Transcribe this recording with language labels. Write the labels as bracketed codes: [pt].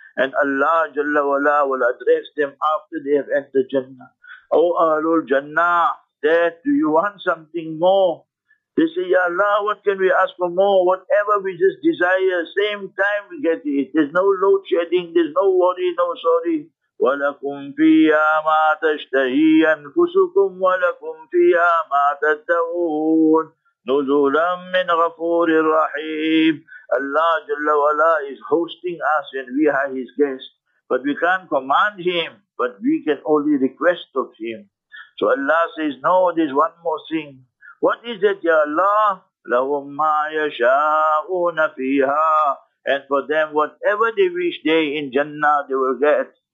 [en] And Allah Jalla Wala will address them after they have entered Jannah. O Ahlul Jannah, that do you want something more? They say, Ya Allah, what can we ask for more? Whatever we just desire, same time we get it. There's no load shedding, there's no worry, no sorry. [ar] وَلَكُمْ فِيهَا مَا تَشْتَهِي أَنْفُسُكُمْ وَلَكُمْ فِيهَا مَا تَدَّعُونَ نُزُولًا مِّنْ غَفُورِ الرَّحِيمِ [en] Allah Jalla Wala is hosting us and we are His guests. But we can't command Him, but we can only request of Him. So Allah says, no, there's one more thing. What is it, Ya Allah? [ar] لَهُمْ مَا يَشَاءُونَ فِيهَا [en] And for them, whatever they wish they in Jannah, they will get.